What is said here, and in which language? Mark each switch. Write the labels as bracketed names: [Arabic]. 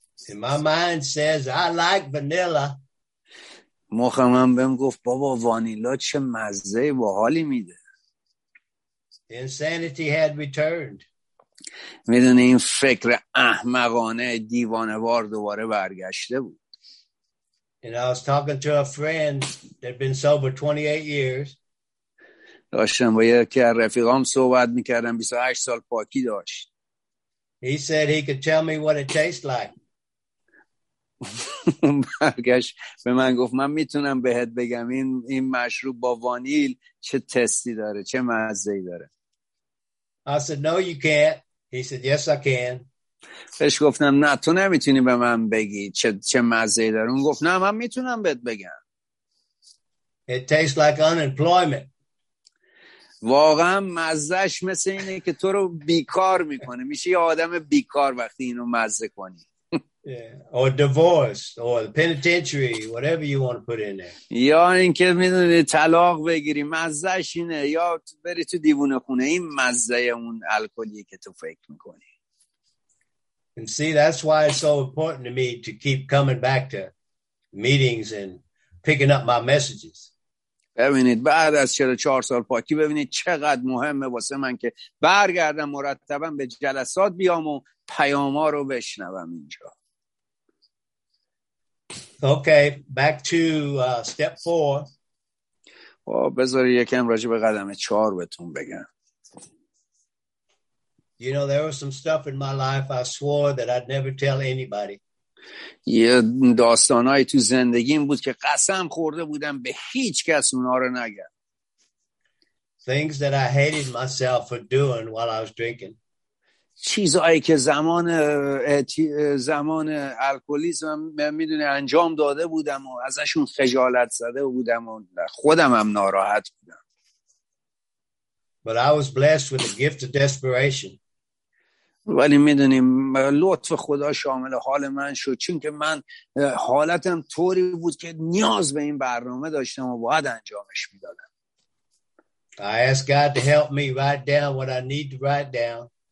[English] In my mind says I like vanilla. [Persian] مخم هم بهم گفت بابا وانیلا چه مزه و حالی میده. [English] Insanity had returned. [Persian] میدونی این فکر احمقانه دیوانوار دوباره برگشته بود. [English] And I was talking to a friend that had been sober 28 years. [Persian] داشتم با یکی از رفیقام صحبت میکردم 28 سال پاکی داشت. [English] He said he could tell me what it tastes like. [Persian] برگشت به من گفت من میتونم بهت بگم این مشروب با وانیل چه تستی داره، چه مزه‌ای داره. [English] I said no you can't. He said yes I can. [Persian] بهش گفتم نه تو نمیتونی به من بگی چه مزه‌ای داره. اون گفت نه من میتونم بهت بگم. [English] It tastes like unemployment. [Persian] واقعا مزهش مثل اینه که تو رو بیکار میکنه، میشه یه آدم بیکار وقتی اینو مزه کنی. [English] Yeah. Or divorce or the penitentiary, whatever you want to put in there. [Persian] یا اینکه میدونی طلاق بگیری مزهش اینه، یا بری تو دیوونه خونه، این مزه اون الکلیه که تو فکر میکنی. [English] And see that's why it's so important to me to keep coming back to meetings and picking up my messages. [Persian] ببینید بعد از 44 سال پاکی ببینید چقدر مهمه واسه من که برگردم مرتبا به جلسات بیام و پیام‌ها رو بشنوم اینجا. [English] Okay, back to step 4. [Persian] بذاری یکم راجع به قدم 4 بهتون بگم. [English] You know there was some stuff in my life I swore that I'd never tell anybody. [Persian] یه داستانای تو زندگیم بود که قسم خورده بودم به هیچ کس اونا رو نگم. [English] Things that I hated myself for doing while I was drinking. [Persian] چیزایی که زمان الکلیسم میدونه انجام داده بودم و ازشون خجالت زده بودم و خودم هم ناراحت بودم. [English] But I was blessed with the gift of desperation. [Persian] ولی میدونیم لطف خدا شامل حال من شد، چون که من حالتم طوری بود که نیاز به این برنامه داشتم و باید انجامش میدادم. [English] I asked God to help me write down what I need to write down.